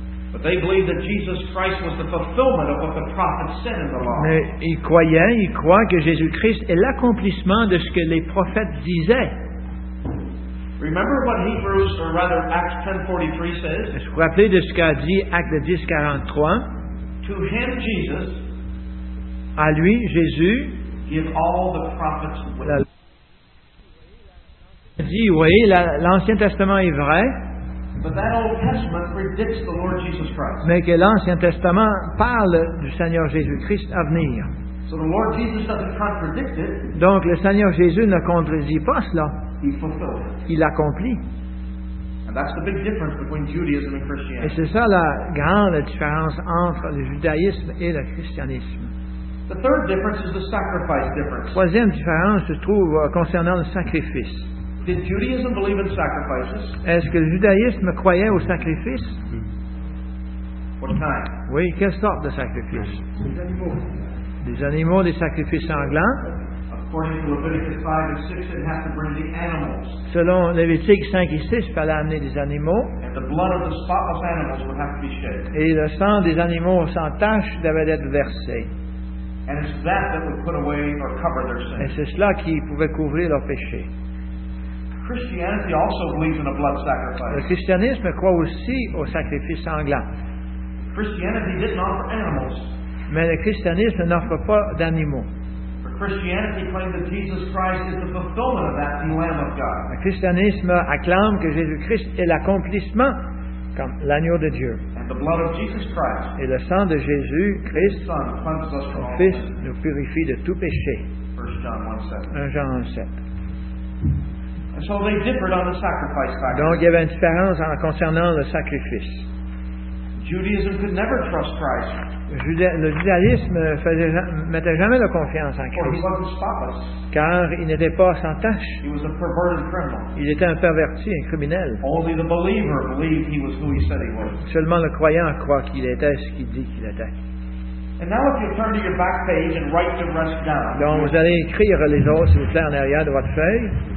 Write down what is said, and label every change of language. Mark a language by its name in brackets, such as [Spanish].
[English] But they believe that Jesus Christ was the fulfillment of what the prophets said in the law. [French] Mais ils croient que Jésus-Christ est l'accomplissement de ce que les prophètes disaient. [English] Remember what Hebrews, or rather Acts 10:43 says? [French] Vous vous rappelez de ce qu'a dit Actes 10:43? [English] To him, Jesus. [French] À lui, Jésus. [English] Give all the prophets witness. [French] Dit, oui, l'Ancien Testament est vrai, [English] but that Old Testament predicts the Lord Jesus Christ. [French] Mais que l'Ancien Testament parle du Seigneur Jésus-Christ à venir. [English] So the Lord Jesus doesn't contradict it. [French] Donc le Seigneur Jésus ne contredit pas cela. [English] He fulfilled it. [French] Il accomplit. [English] And that's the big difference between Judaism and Christianity. [French] Et c'est ça la grande différence entre le judaïsme et le christianisme. [English] The third difference is the sacrifice difference. La [French] troisième différence se trouve concernant le sacrifice. [English] Did Judaism believe in sacrifices? [French] Est-ce que le judaïsme croyait aux sacrifices? [English] What kind? [French] Oui, quelle sorte de sacrifice? Des animaux. Des animaux, des sacrifices sanglants. [English] According to Leviticus 5 and 6, it has to bring the animals. [French] Selon Lévitique 5 et 6, il fallait amener des animaux. [English] And the blood of the spotless animals would have to be shed. [French] Et le sang des animaux sans tache devait être versé. [English] And it's that would put away or cover their sins. [French] Et c'est cela qui pouvait couvrir leurs péchés. [English] Christianity also believes in a blood sacrifice. [French] Le christianisme croit aussi au sacrifice sanglant. [English] Christianity didn't offer animals. [French] Mais le christianisme n'offre pas d'animaux. [English] For Christianity claims that Jesus Christ is the fulfillment of that Lamb of God. [French] Le christianisme acclame que Jésus-Christ est l'accomplissement comme l'agneau de Dieu. [English] And the blood of Jesus Christ. [French] Et le sang de Jésus-Christ, son Fils, nous purifie de tout péché. 1 Jean 1:7. [English] So they differed on the sacrifice factor. [French] Donc il y avait une différence en concernant le sacrifice. [English] Judaism could never trust Christ. [French] Le judaïsme mettait jamais la confiance en Christ. [English] He wasn't spotless. [French] Car il n'était pas sans tache. [English] He was a perverted criminal. [French] Il était un perverti, un criminel. [English] Only the believer believed he was who he said he was. [French] Seulement le croyant croit qu'il était ce qu'il dit qu'il était. [English] And now if you turn to your back page and write the rest down. [French] Donc vous allez écrire les autres, s'il vous plaît, en arrière de votre feuille.